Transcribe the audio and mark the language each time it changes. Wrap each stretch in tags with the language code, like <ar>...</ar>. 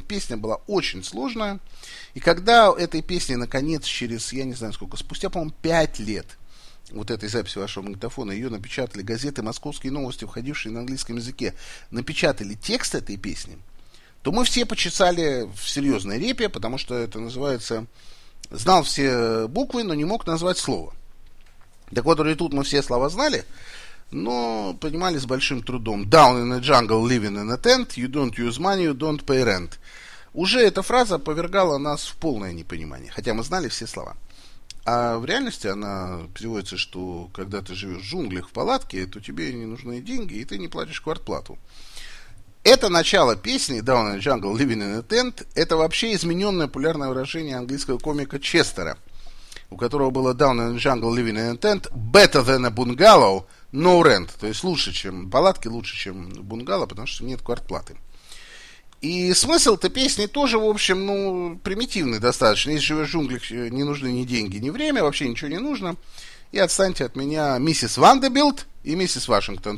<ru>Песня была очень сложная. И когда этой песни, наконец, через, я не знаю сколько, спустя, по-моему, 5 лет вот этой записи вашего магнитофона, ее напечатали газеты «Московские новости», входившие на английском языке, напечатали текст этой песни, то мы все почесали в серьезной репе, потому что это называется... Знал все буквы, но не мог назвать слово. Так вот, и тут мы все слова знали, но понимали с большим трудом.</ru> <en>«Down in a jungle, living in a tent, you don't use money, you don't pay rent».</en> <ru>Уже эта фраза повергала нас в полное непонимание, хотя мы знали все слова. А в реальности она переводится, что когда ты живешь в джунглях, в палатке, то тебе не нужны деньги, и ты не платишь квартплату. Это начало песни</ru> <en>«Down in a jungle, living in a tent»</en> <ru>— это вообще измененное популярное выражение английского комика Честера, у которого было</ru> <en>«Down in a jungle, living in a tent, better than a bungalow, no rent».</en> <ru>То есть лучше, чем палатки, лучше, чем бунгало, потому что нет квартплаты. И смысл-то песни тоже, в общем, ну, примитивный достаточно. Если живешь в джунглях, не нужны ни деньги, ни время, вообще ничего не нужно. И отстаньте от меня, миссис Вандербилт и миссис Вашингтон.</ru>